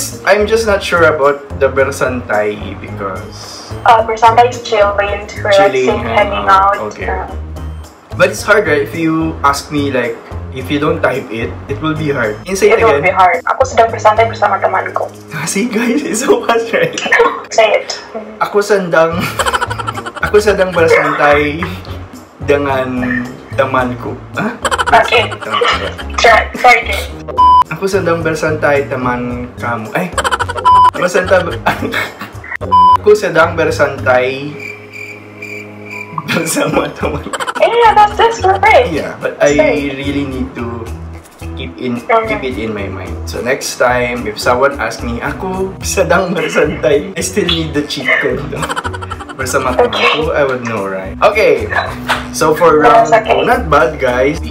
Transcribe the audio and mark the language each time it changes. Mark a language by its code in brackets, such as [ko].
[en] I'm just not sure about the bersantai because bersantai is chilling, relaxing, hanging out. Okay. But it's hard, right? If you ask me, like, if you don't type it, it will be hard. Say it again. It will be hard. [id] Aku sedang bersantai bersama temanku. [en] See, guys, it's so much, right? Say it. [id] Aku sedang bersantai dengan temanku. [en] Huh? Okay. Try it. [id] Aku sedang bersantai teman kamu. Aku sedang bersantai bersama teman. [en] Yeah, that's great. Yeah, but I really need to keep it in my mind. So next time, if someone asks me, [id] aku sedang bersantai, [en] I still need the cheat code. [id] Bersama teman aku, [en] I would know, right? Okay, so for round two, not bad, guys.